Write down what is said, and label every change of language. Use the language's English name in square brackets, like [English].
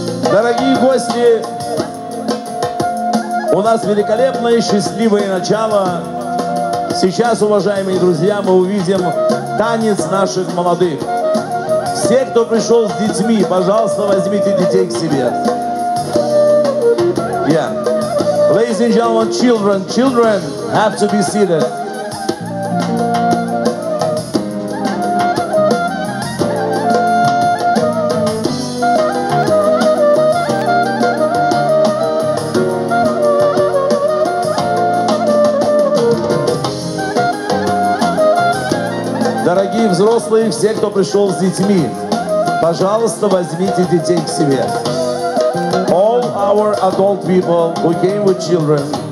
[Russian] Дорогие гости, у нас великолепное, счастливое начало. Сейчас, уважаемые друзья, мы увидим танец наших молодых. Все, кто пришел с детьми, пожалуйста, возьмите детей к себе. [English] Yeah. Ladies and gentlemen, children have to be seated. [Russian] Дорогие взрослые, все, кто пришел с детьми, пожалуйста, возьмите детей к себе. [English] All our adult people who came with children.